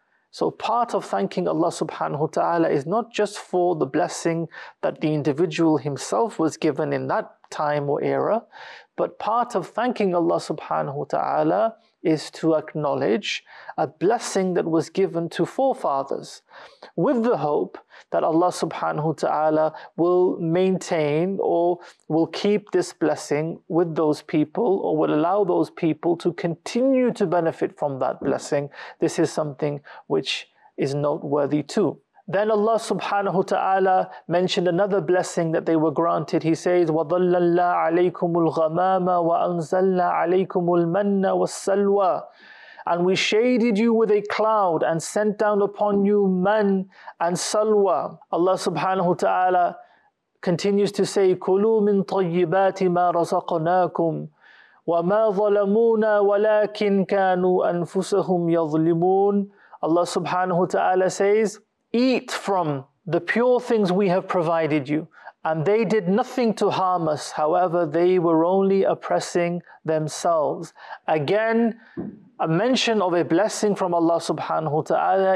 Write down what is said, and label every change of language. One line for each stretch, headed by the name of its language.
English: So part of thanking Allah subhanahu wa ta'ala is not just for the blessing that the individual himself was given in that time or era, but part of thanking Allah subhanahu wa ta'ala is to acknowledge a blessing that was given to forefathers with the hope that Allah subhanahu wa ta'ala will maintain or will keep this blessing with those people, or will allow those people to continue to benefit from that blessing. This is something which is noteworthy too. Then Allah subhanahu wa ta'ala mentioned another blessing that they were granted. He says,
Arabic: وَظَلَّلَّا عَلَيْكُمُ الْغَمَامَ وَأَنزَلْنَا عَلَيْكُمُ الْمَنَّ وَالسَّلْوَى.
English: And we shaded you with a cloud and sent down upon you man and salwa. Allah subhanahu wa ta'ala continues to say,
Arabic: كُلُوا مِن طَيِّبَاتِ مَا رَزَقْنَاكُمْ وَمَا ظَلَمُونَا وَلَكِنْ كَانُوا أَنفُسَهُمْ يَظْلِمُونَ.
English: Allah subhanahu wa ta'ala says, eat from the pure things we have provided you. And they did nothing to harm us. However, they were only oppressing themselves. Again, a mention of a blessing from Allah subhanahu wa ta'ala.